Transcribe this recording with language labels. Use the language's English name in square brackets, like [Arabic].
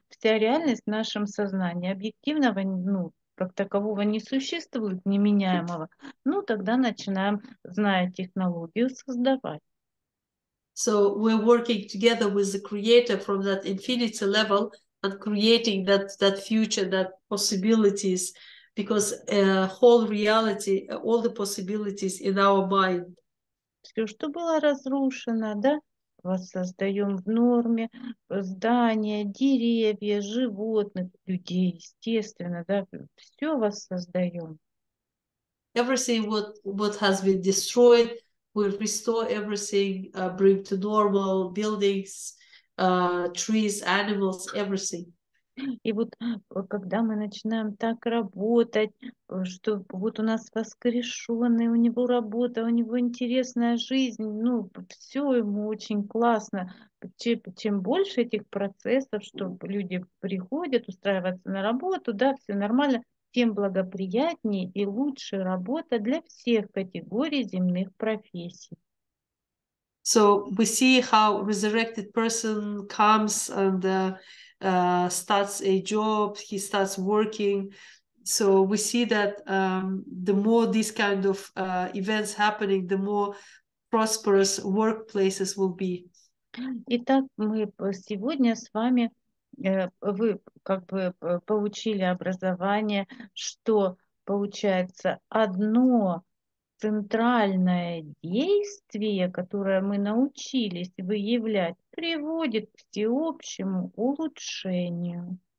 [Russian] Вся реальность в нашем сознании объективного, ну, как такового не существует, неменяемого. Ну, тогда начинаем, зная технологию, создавать. [English] So we're working together with the creator from that infinity level and creating that future, that possibilities, because whole reality, all the possibilities in our mind. [Russian] Все, что было разрушено, да, воссоздаем в норме здания, деревья, животных, людей, естественно, да, все воссоздаем. [English] Everything what has been destroyed, we'll restore everything, bring to normal, buildings, trees, animals, everything. [Russian] И вот когда мы начинаем так работать, что вот у нас воскрешенный, у него работа, у него интересная жизнь, ну, все ему очень классно. Чем больше этих процессов, что люди приходят устраиваться на работу, да, все нормально, тем благоприятнее и лучше работа для всех категорий земных профессий. [English] So we see how resurrected person comes and starts a job, he starts working. So we see that the more these kind of events happening, the more prosperous workplaces will be. [Russian] Итак, мы сегодня с вами, вы как бы получили образование, что получается одно центральное действие, которое мы научились выявлять, приводит к всеобщему улучшению.